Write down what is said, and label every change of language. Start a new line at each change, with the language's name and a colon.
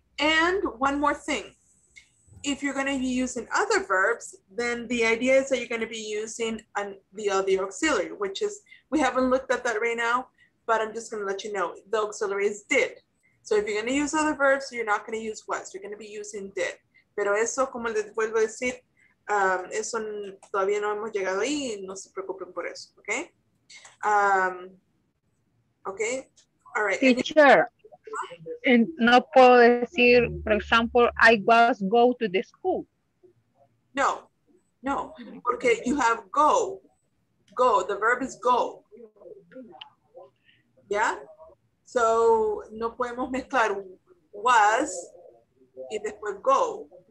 English: And one more thing, if you're going to be using other verbs, then the idea is that you're going to be using the auxiliary, which is, we haven't looked at that right now, but I'm just going to let you know the auxiliaries did. So if you're going to use other verbs, you're not going to use was. You're going to be using did.
Spanish: Pero eso, como les vuelvo a decir, eso todavía no hemos llegado ahí. No se preocupen por eso.
English: Okay. Okay. All right. Teacher. And
Spanish: no puedo decir,
English: for example, I was go to the school. No, no, okay, you have go, go, the verb is go.
Spanish: Yeah, so no podemos mezclar was y después go.